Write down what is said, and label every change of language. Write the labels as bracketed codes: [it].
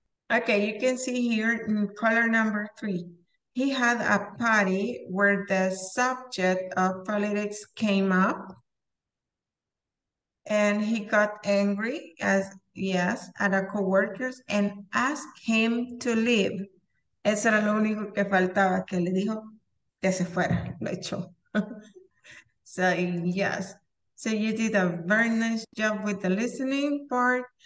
[en] Okay, you can see here in color number three. He had a party where the subject of politics came up. And he got angry at a co-worker and asked him to leave. [es] Eso era lo único que faltaba, que le dijo que se fuera, lo echó. [en] So, yes. So you did a very nice job with the listening part.